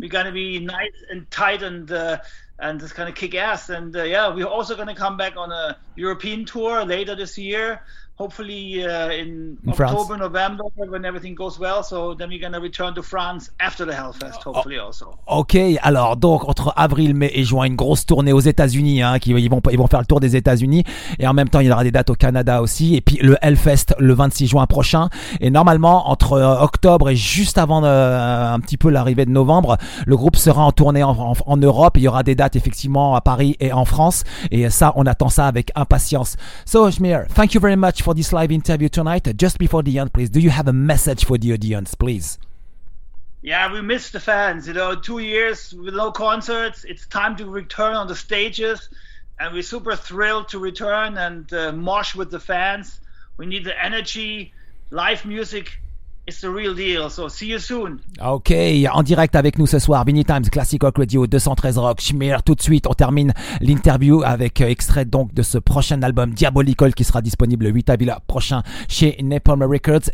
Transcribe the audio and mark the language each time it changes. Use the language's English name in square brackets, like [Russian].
[English] We're gonna be nice and tight and just kind of kick ass, and yeah, we're also gonna come back on a European tour later this year, hopefully in October, France. November, when everything goes well. So then we're gonna return to France after the Hellfest, hopefully. [French] Ok, alors donc entre avril, mai et juin, une grosse tournée aux États-Unis, hein, ils vont faire le tour des États-Unis, et en même temps il y aura des dates au Canada aussi, et puis le Hellfest le 26 juin prochain, et normalement entre octobre et juste avant un petit peu l'arrivée de novembre, le groupe sera en tournée en Europe. Il y aura des dates effectivement à Paris et en France, et ça, on attend ça avec impatience. [English] So Schmier, thank you very much for this live interview tonight. Just before the end, please, do you have a message for the audience, please? Yeah, we miss the fans, you know, 2 years with no concerts. It's time to return on the stages, and we're super thrilled to return and mosh with the fans. We need the energy, live music. It's the real deal, so see you soon. [French] Ok, en direct avec nous ce soir, Vinny Times, Classic Rock Radio, 213 Rock, Schmier. Tout de suite, on termine l'interview avec extrait donc de ce prochain album, Diabolical, qui sera disponible le 8 avril prochain chez Napalm Records.